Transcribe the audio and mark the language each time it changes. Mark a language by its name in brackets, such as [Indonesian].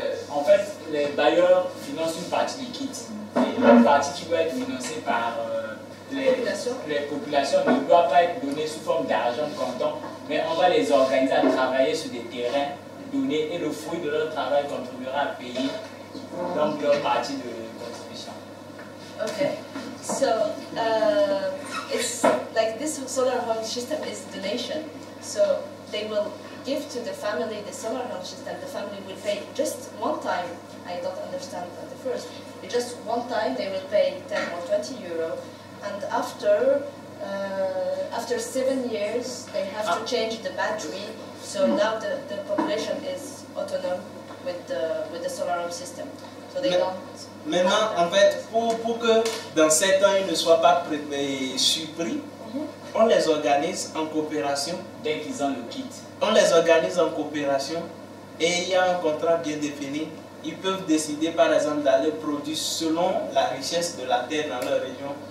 [French] En fait, les bailleurs financent une partie du kit. Et une partie qui doit être financée par les populations ne doit pas être donnée sous forme d'argent comptant. Mais on va les organiser à travailler sur des terrains donnés et le fruit de leur travail contribuera à payer donc leur partie de contribution. [English] Ok. So, it's like this solar home system is donation. So they will give to the family the solar home system. The family will pay just one time. I don't understand at the first. It just one time they will pay 10 or 20 euro, and after 7 years they have to change the battery. So now the population is autonomous with the solar home system. So they don't. [French] Maintenant, en fait, pour que dans 7 ans, ils ne soient pas surpris, on les organise en coopération. Dès qu'ils ont le kit. On les organise en coopération et il y a un contrat bien défini. Ils peuvent décider, par exemple, d'aller produire selon la richesse de la terre dans leur région.